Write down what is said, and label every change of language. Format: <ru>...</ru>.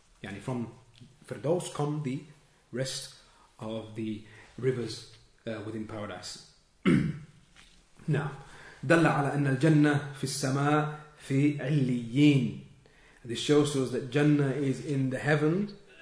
<ar>يعني</ar> <en>from Firdaws come the rest of the rivers within paradise. Now</en> <ar>دل على أن الجنة في السماء في عليين.</ar> <en>This shows us that Jannah is in the heavens.</en>